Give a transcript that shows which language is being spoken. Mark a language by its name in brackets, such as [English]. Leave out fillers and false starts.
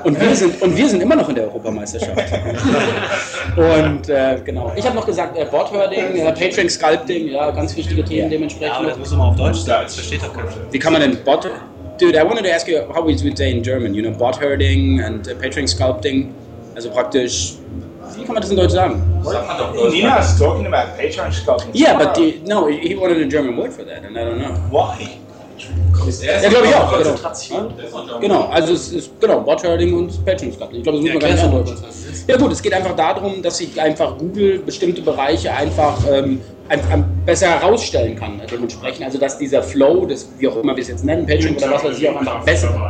[German] Und wir sind immer noch in der Europameisterschaft. Und genau. Ich habe noch gesagt, Boardherding, PageRank Sculpting, ja, ganz wichtige Themen dementsprechend. Ja, aber das muss man auf Deutsch sagen, das versteht doch keiner. Wie kann man denn Bot. [English] Dude, I wanted to ask you how we would say in German, you know, Boardherding and PageRank Sculpting. [German] Also praktisch. Wie kann man das in Deutsch sagen? [English] Nina is talking about PageRank Sculpting. Yeah, but he wanted a German word for that, and I don't know. Why? [German] Ja, glaube ich auch. Genau. Genau, also es ist genau, Bot-Herding und Patching-Skatten. Ich glaube, das muss man gar nicht verdeutlichen. Ja, gut, es geht einfach darum, dass sich einfach Google bestimmte Bereiche einfach besser herausstellen kann, dementsprechend. Also, dass dieser Flow, das, wie auch immer wir es jetzt nennen, Patching oder was weiß ich, auch einfach besser.